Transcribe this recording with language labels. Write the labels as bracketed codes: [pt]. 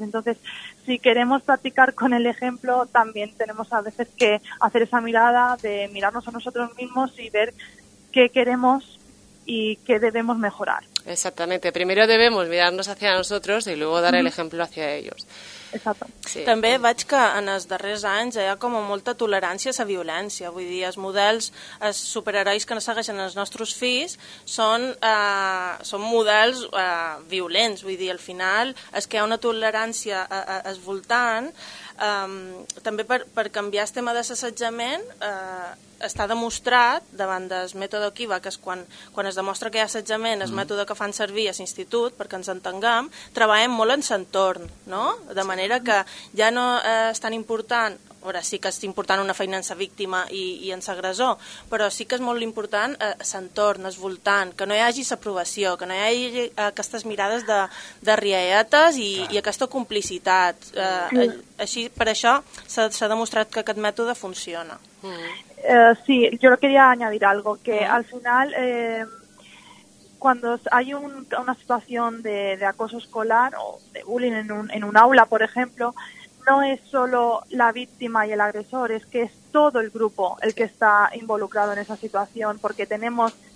[es] Entonces, si queremos practicar con el ejemplo, también tenemos a veces que hacer esa mirada de mirarnos a nosotros mismos y ver qué queremos y qué debemos mejorar. Exactamente. Primero debemos mirarnos hacia nosotros y luego dar el ejemplo hacia ellos. [ca] Exacte. Sí. També veig que en els darrers anys hi ha com molta tolerància a la violència. Vull dir, els models, els superherois que segueixen els nostres fills són models violents. Vull dir, al final és que hi ha una tolerància al voltant. També per canviar el tema de l'assetjament, està demostrat davant del mètode Kiva, que és quan es demostra que hi ha assetjament, el mètode que fan servir a l'institut, perquè ens entenguem, treballem molt en l'entorn, no? De manera que ja no és tan important, ara sí que és important una feina en la víctima i en l'agressor, però sí que és molt important l'entorn, el voltant, que no hi hagi l'aprovació, que no hi hagi aquestes mirades de rialletes i aquesta complicitat. Així, per això s'ha demostrat que aquest mètode funciona. [es] Sí, yo lo quería añadir algo, que al final cuando hay una situación de acoso escolar o de bullying en un aula, por ejemplo, no es solo la víctima y el agresor, es que es todo el grupo el que está involucrado en esa situación, porque tenemos